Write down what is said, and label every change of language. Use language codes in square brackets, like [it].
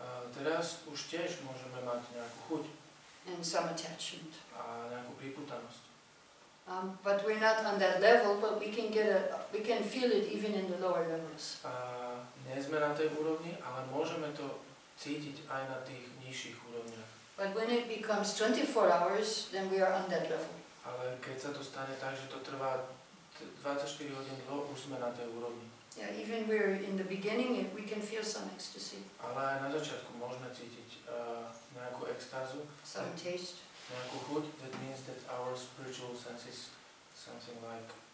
[sk] Teraz už tiež môžeme mať nejakú chuť. [en] And some attachment. [sk] A nejakú pripútanosť. [en] But we're not on that level, but we can feel it even in the lower levels. [sk] Nie sme na tej úrovni, ale môžeme to cítiť aj na tých nižších úrovniach. [en] But when it becomes 24 hours, then we are on that level. [sk] Ale keď sa to stane tak, že to trvá 24 hodín dlho, už sme na tej úrovni. [en] Yeah, even we're in the beginning, we can feel some ecstasy. [sk] Ale aj na začiatku môžeme cítiť nejakú extázu. [en] Some taste. [sk] Nejakú chuť, [en] that means that our spiritual sense is something like